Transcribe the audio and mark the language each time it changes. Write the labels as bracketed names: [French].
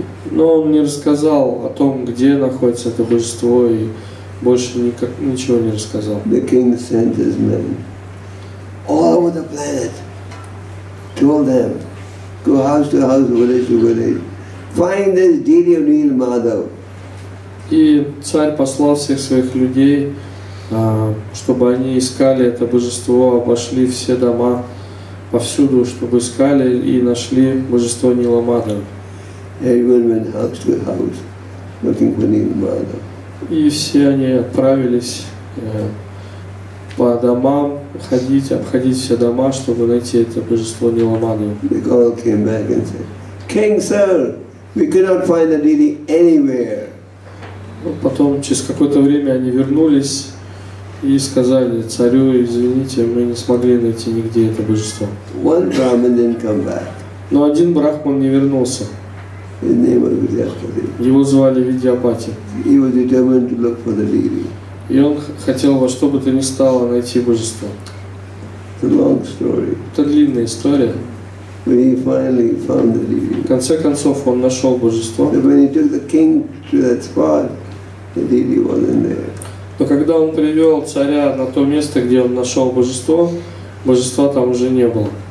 [Russian] Но он не рассказал о том, где находится это божество, и больше ничего не рассказал. [English] The king sent his men all over the planet, told them, go house to house, village to village, find this deity of Nila Madhava. [Russian] И царь послал всех своих людей, чтобы они искали это божество, обошли все дома повсюду, чтобы искали и нашли божество Нила Мадхава. [English] Everyone went house to house looking for Nila Madhava. [Russian] И все они отправились по домам ходить, обходить все дома, чтобы найти это божество Нила Мадхава. [English] They all came back and said, "King, sir, we cannot find the deity anywhere." [Russian] Потом через какое-то время они вернулись и сказали: «Царю, извините, мы не смогли найти нигде это божество». [English] One Brahmin didn't come back. [Russian] Но один брахман не вернулся. [English] His name was Vidyapati. [Russian] Его звали Видьяпати. [English] He was determined to look for the deity. [Russian] И он хотел во что бы то ни стало найти божество. [English] It's a long story. [Russian] Это длинная история. [English] When he finally found the deity. [Russian] В конце концов он нашел божество. [English] But when he took the king to that spot, the deity wasn't there. [Russian] Но когда он привел царя на то место, где он нашел божество, божества там уже не было.